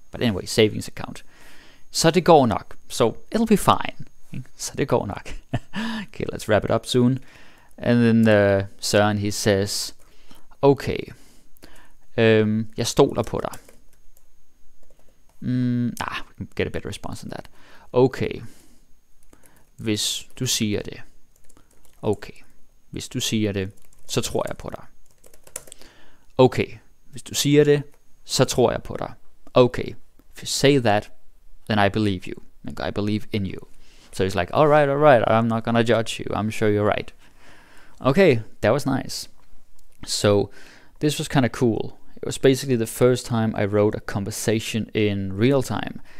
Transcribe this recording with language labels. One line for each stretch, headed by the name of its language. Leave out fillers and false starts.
English: But anyway, savings account.
Danish: Så det går nok.
English: So it'll be fine.
Danish: Så det går nok.
English: Okay, let's wrap it up soon. And then Søren, he says, okay,
Danish: jeg stoler på dig.
English: We can get a better response than that.
Danish: Okay, hvis du siger det. Okay, hvis du siger det, så tror jeg på dig. Okay, hvis du siger det, så tror jeg på dig.
English: Okay, if you say that, then I believe you. Like, I believe in you. So he's like, all right, I'm not gonna judge you. I'm sure you're right. Okay, that was nice. So this was kind of cool. It was basically the first time I wrote a conversation in real time.